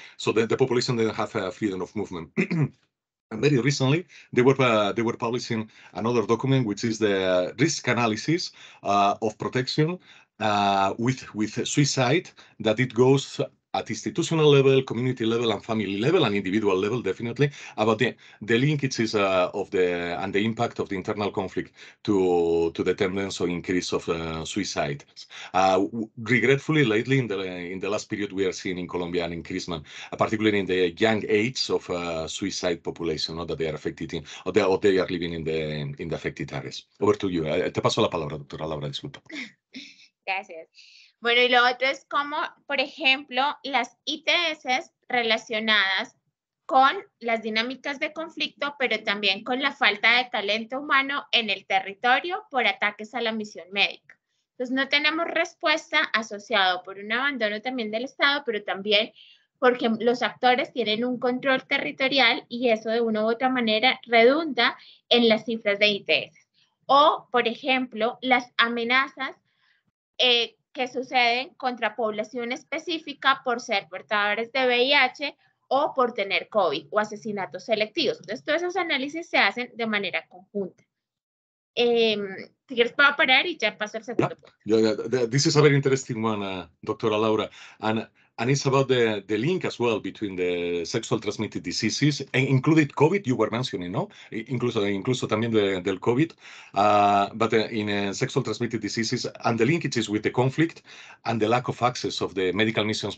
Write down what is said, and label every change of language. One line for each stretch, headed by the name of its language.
English: So the population didn't have freedom of movement. And very recently, they were publishing another document, which is the risk analysis of protection with suicide, that it goes at institutional level, community level, and family level, and individual level, definitely, about the linkages of the and the impact of the internal conflict to the tendency or increase of suicide. Regretfully, lately, in the last period, we are seeing in Colombia an increase, particularly in the young age of suicide population, not that they are affected in, or they are living in the affected areas. Over to you.
Spanish: Te paso la palabra, doctora Laura, disculpa. Gracias. Bueno, y lo otro es como, por ejemplo, las ITS relacionadas con las dinámicas de conflicto, pero también con la falta de talento humano en el territorio por ataques a la misión médica. Entonces, no tenemos respuesta asociado por un abandono también del Estado, pero también porque los actores tienen un control territorial y eso de una u otra manera redunda en las cifras de ITS. O, por ejemplo, las amenazas que suceden contra población específica por ser portadores de VIH o por tener COVID o asesinatos selectivos. Entonces, todos esos análisis se hacen de manera conjunta. Si quieres, puedo parar y ya paso al segundo punto.
English: This is a very interesting one, Dr. Laura. And it's about the link as well between the sexual transmitted diseases, and included COVID, you were mentioning, no?
Spanish: Incluso también del COVID,
English: but in sexual transmitted diseases, and the linkages with the conflict and the lack of access of the medical missions.